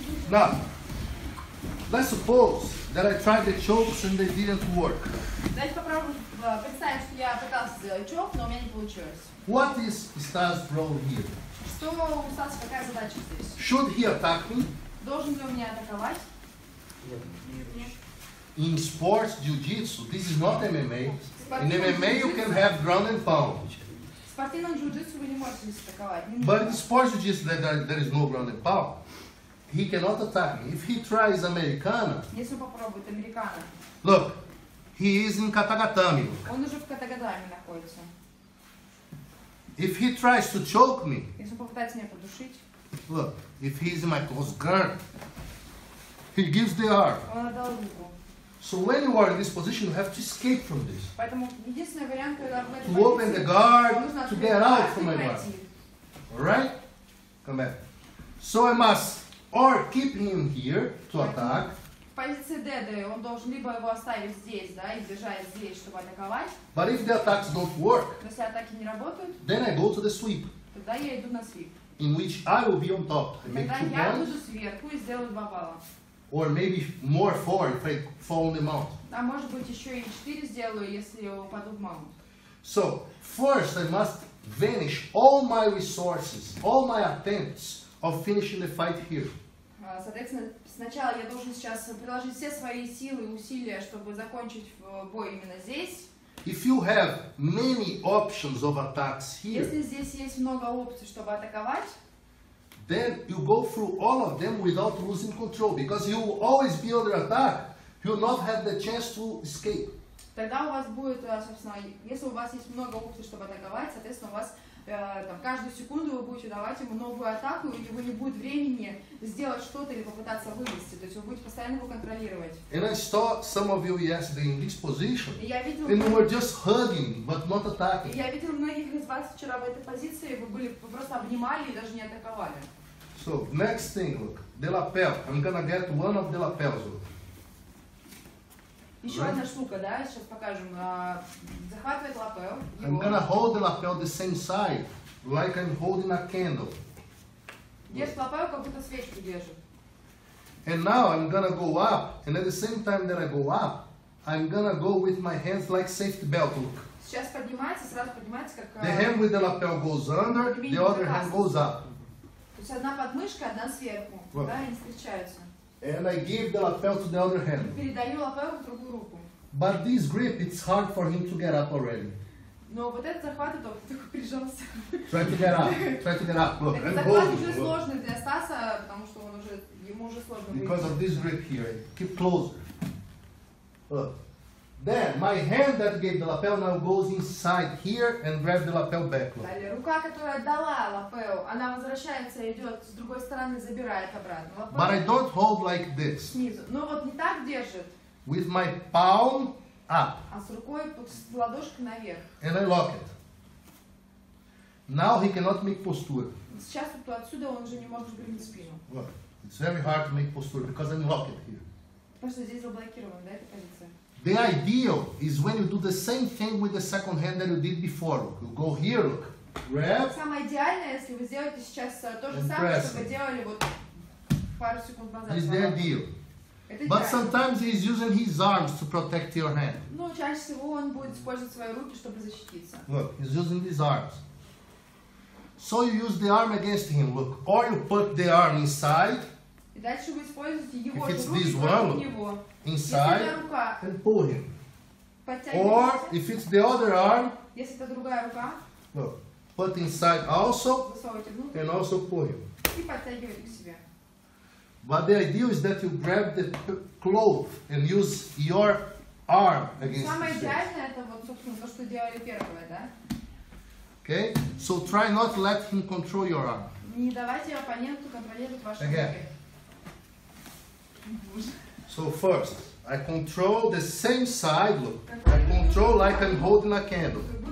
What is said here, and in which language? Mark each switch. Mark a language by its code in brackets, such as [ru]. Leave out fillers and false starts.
[en] Now, let's suppose that I tried the chokes and they didn't work. [ru] Давайте попробуем представить, что я пытался сделать чок, но у меня не получилось. [en] What is Stas' role here? [ru] Что у Stas, какая задача здесь? [en] Should he attack me? [ru] Должен ли он меня атаковать? Нет. [en] In sports, jiu-jitsu, this is not MMA. In MMA, you can have ground and pound. [ru] Спортивном джиу-джитсу вы не можете атаковать. [en] But in sports jiu-jitsu, there is no ground and pound. He cannot attack me. If he tries americano. [ru] Если попробует американо. [en] Look. He is in katagatami. [ru] Он уже в катагатами находится. [en] If he tries to choke me. [ru] Если попытается меня подушить. [en] Look. If he is my close guard. He gives the arm. [ru] Он отдал руку. [en] So when you are in this position, you have to escape from this. [ru] Поэтому единственный вариант, когда в этой позиции. [en] To open the guard. To get out from my guard. Alright? Come back. So I must. Or keep him here to attack. [ru] В позиции деда он должен либо его оставить здесь, да, и держать здесь, чтобы атаковать. [en] But if the attacks don't work, [ru] если атаки не работают, [en] then I go to the sweep. [ru] Тогда я иду на sweep. [en] In which I will be on top. [ru] Тогда я буду сверху и сделаю 2 балла. [en] Or maybe more 4 if I fall on the mount. [ru] А может быть еще и 4 сделаю, если я упаду в mount. [en] So first I must vanish all my resources, all my attempts. Of finishing the fight here. [ru] Соответственно, сначала я должен сейчас приложить все свои силы и усилия, чтобы закончить бой именно здесь. [en] If you have many options of attacks here. [ru] Если здесь есть много опций, чтобы атаковать. [en] Then you go through all of them without losing control, because you will always be under attack. You will not have the chance to escape. [ru] Тогда у вас будет, собственно, если у вас есть много опций, чтобы атаковать, соответственно, у вас там, каждую секунду вы будете давать ему новую атаку, и у него не будет времени сделать что-то или попытаться вывести. То есть вы будете постоянно его контролировать. [en] And I saw some of you yesterday in this position. [ru] И я видел, [en] and you were just hugging, but not attacking. [ru] И я видел многих из вас вчера в этой позиции, вы были вы просто обнимали и даже не атаковали. [en] So next thing, look, the lapel. I'm gonna get one of the lapels. [ru] Еще [en] right. [ru] Одна штука, да, сейчас покажем. Захватывает лапел. [en] I'm gonna hold the lapel the same side, like I'm holding a candle. [ru] Держит лапел, как будто свечку держит. [en] And now I'm gonna go up, and at the same time that I go up, I'm gonna go with my hands like safety belt, look. [ru] Сейчас поднимается, сразу поднимается, как... [en] The hand with the lapel goes under, the other hand goes up. [ru] То есть одна подмышка, одна сверху, [en] well. [ru] Да, они встречаются. [en] And I give the lapel to the other hand. [ru] Передаю лапел в другую руку. [en] But this grip, it's hard for him to get up already. [ru] Но вот этот захват, это вот такой прижался. [en] Try to get up. Look, [ru] этот захват уже сложный для Стаса, потому что он уже, ему уже сложно выйти. [en] Because of this grip here. Keep closer. Look. Then, my hand that gave the lapel now goes inside here and grabs the lapel back. Look. [ru] Далее, рука, которая отдала лапел, она возвращается и идет с другой стороны, забирает обратно. Лапел. [en] But I don't hold like this. [ru] Снизу. Но вот не так держит. [en] With my palm up. [ru] А с рукой, с ладошкой наверх. [en] And I lock it. Now he cannot make posture. [ru] Сейчас вот отсюда он уже не может сгрузить спину. [en] Look, it's very hard to make posture because I'm locked here. [ru] Потому что здесь заблокирован, да, эта позиция? [en] The ideal is when you do the same thing with the second hand that you did before. Look, you go here, look, grab. [ru] Самое идеальное, если вы сделаете сейчас то же самое, что вы делали вот пару секунд назад. [en] It's the ideal. But sometimes he is using his arms to protect your hand. [ru] Ну, чаще всего он будет использовать свои руки, чтобы защититься. [en] Look, he's using his arms. So you use the arm against him, look. Or you put the arm inside. [ru] И дальше вы используете его руки, [en] if it's [ru] руки, [en] this one, look, inside, [ru] рука, [en] and pull him. [ru] Подтягивайте. [en] Or if it's the other arm, [ru] если это другая рука, [en] look, put inside also, [ru] высовывайте внутрь, [en] and also pull him. [ru] И подтягивайте к себе. [en] But the idea is that you grab the cloth and use your arm against [ru] самое идеальное это вот, собственно, то, что делали первое, да? [en] Okay? So try not to let him control your arm. [ru] Не давайте оппоненту контролировать ваши руки. [en] Again. So first, I control the same side, look. I control like I'm holding a candle.